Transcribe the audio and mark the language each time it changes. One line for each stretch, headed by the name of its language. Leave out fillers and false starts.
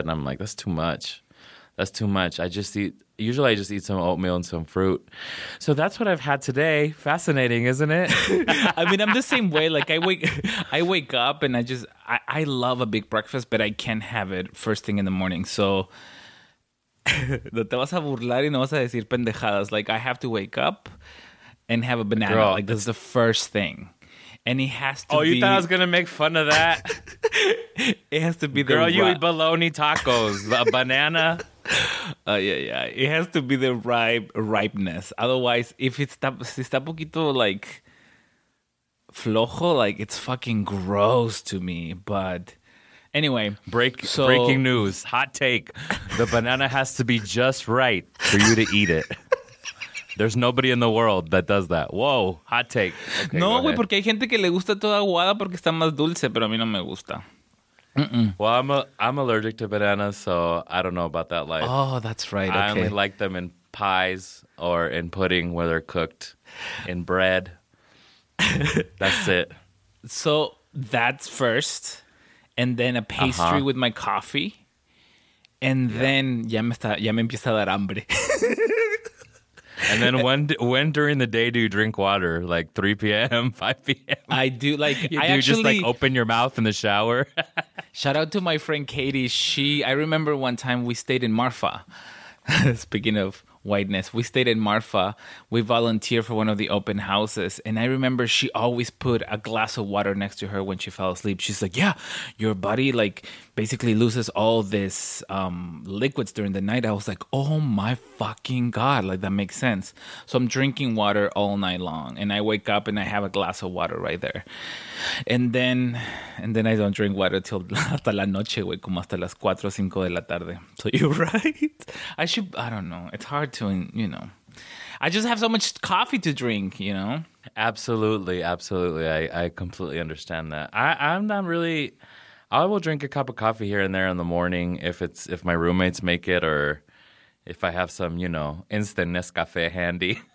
English: And I'm like, that's too much. That's too much. Usually I just eat some oatmeal and some fruit. So that's what I've had today. Fascinating, isn't it? I mean, I'm the same way. Like I wake up and I love a big breakfast, but I can't have it first thing in the morning.
Spanish: So no te vas a burlar y no vas a decir pendejadas.
English: Like I have to wake up and have a banana. Girl, like that's the first thing. And it has to be... Oh, you thought I was going to make fun of that? It has to be the... Girl, you eat bologna tacos. A banana... Yeah. It has to be the ripeness. Otherwise, if it's
Spanish: está poquito
English: like
Spanish: flojo,
English: like it's fucking gross to me. But anyway, breaking news, hot take: the banana has to be just right for you to eat it. There's nobody in the world that does that. Whoa, hot take.
Spanish: Okay, no, güey, porque hay gente que le gusta toda aguada porque está más dulce, pero a mí no me gusta. Mm-mm.
English: Well, I'm allergic to bananas, so I don't know about that life. Oh, that's right. I only like them in pies or in pudding where they're cooked in bread. That's it. So that's first. And then a pastry with my coffee. And then
Spanish: ya me empieza a dar hambre.
English: And then when during the day do you drink water? Like 3 p.m., 5 p.m.? I do. Like, just open your mouth in the shower? Shout out to my friend Katie. I remember one time we stayed in Marfa. Speaking of whiteness, we stayed in Marfa. We volunteered for one of the open houses. And I remember she always put a glass of water next to her when she fell asleep. She's like, yeah, your body like basically loses all this liquids during the night. I was like, oh my fucking God, like that makes sense. So I'm drinking water all night long. And I wake up and I have a glass of water right there. And then I don't drink water till
Spanish: hasta la noche, güey, como hasta las 4 o 5 de la tarde.
English: So you're right. I don't know. It's hard to, you know. I just have so much coffee to drink, you know. Absolutely, absolutely. I completely understand that. I'm not really... I will drink a cup of coffee here and there in the morning if my roommates make it or if I have some, you know, instant Nescafe handy.